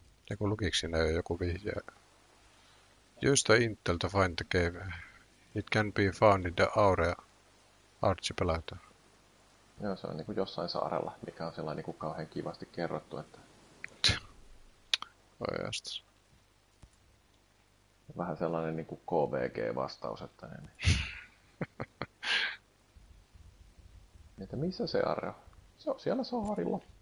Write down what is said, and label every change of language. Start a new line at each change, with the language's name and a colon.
Finnish: Ja kun lukiks siinä jo joku vihje?
English: Use the intel to find the cave. It can be found in the Aurea archipelago.
Finnish: Joo, se on niinku jossain saarella, mikä on sellainen niinku kauhean kivasti kerrottu, että... Oi jostas. Vähän sellainen niinku KVG-vastaus, että ne... Että missä se Aurea? Se on siellä saarilla.